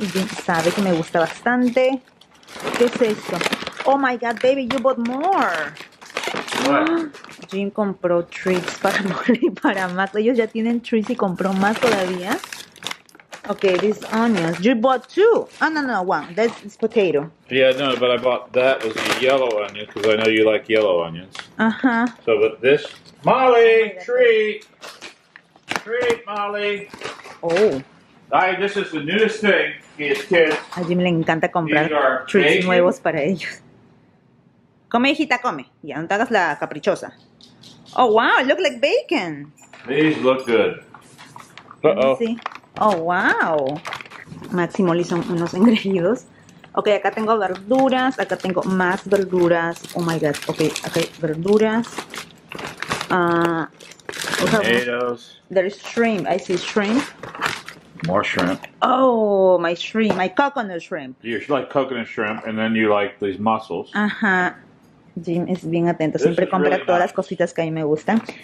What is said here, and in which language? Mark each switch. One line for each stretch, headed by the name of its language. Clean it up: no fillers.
Spanish: Y Jim sabe que me gusta bastante. ¿Qué es esto?
English: Oh my God, baby, you bought more.
Spanish: ¿Qué? Jim compró treats para Molly y para Matt. Ellos ya tienen treats y compró más todavía.
English: Okay, these onions. You bought two. Oh, no, no, one. That's potato. Yeah, no, but I bought that was a yellow onion because I know you like yellow onions. Uh-huh. So, but this... Molly, oh, treat, Molly. Oh. This is the newest thing. It's kids.
Spanish: A Jim le encanta comprar treats
English: bacon.
Spanish: Nuevos para ellos. Come, hijita, come. Ya no te hagas la caprichosa. Oh, wow.
English: Look like bacon. These look good. Uh-oh.
Spanish: Sí. Oh, wow. Máximo le hizo unos engreídos. Ok, acá tengo verduras. Acá tengo más verduras.
English: Oh, my God.
Spanish: Ok, acá hay verduras.
English: Tomatoes. There's shrimp. I see shrimp. More shrimp. Oh, my shrimp. My coconut shrimp. You like coconut shrimp, and then you like these mussels.
Spanish: Ajá. Jim es bien atento, siempre compra todas las cositas que a mí me gustan.